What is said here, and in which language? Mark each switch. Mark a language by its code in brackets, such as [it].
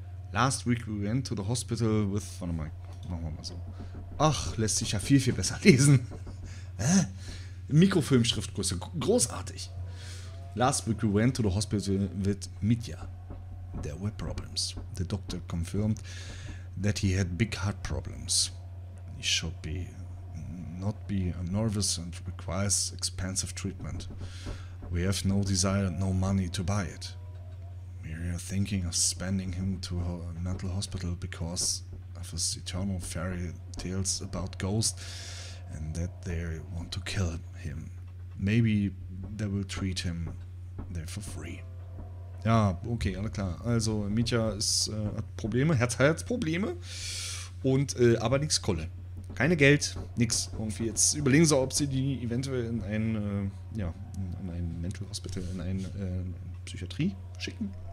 [en] Last week we went to the hospital with... [de] Warte mal, machen wir mal so. Ach, lässt sich ja viel, viel besser lesen. Mikrofilmschriftgröße, großartig. [en] Last week we went to the hospital with Mitya. There were problems. The doctor confirmed that he had big heart problems. He should not be nervous and requires expensive treatment. We have no desire, no money to buy it. We are thinking of sending him to a mental hospital because of his eternal fairy tales about ghosts and that they want to kill him. Maybe they will treat him there for free. [de] Ja, okay, alles klar. Also, Mitya ist, hat Probleme, Herz-Probleme und aber nichts Kohle. Keine Geld, nix. Irgendwie jetzt überlegen sie, ob sie die eventuell in ein [en] Mental Hospital, [de] in eine Psychiatrie schicken.